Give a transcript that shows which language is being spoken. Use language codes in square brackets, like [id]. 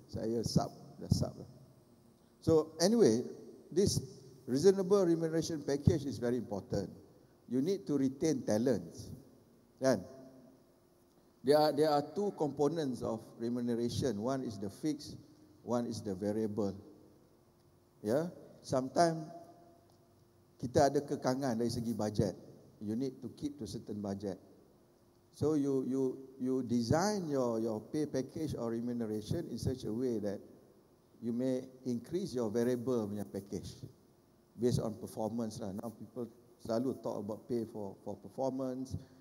[ms] Saya sub, dah sub. [en] So anyway, this reasonable remuneration package is very important. You need to retain talents. Kan? There are two components of remuneration. One is the fixed, one is the variable. Yeah. [ms] Sometimes kita ada kekangan dari segi budget. [en] You need to keep to certain budget. So you design your pay package or remuneration in such a way that you may increase your variable punya package based on performance lah. Now people selalu talk about pay for performance.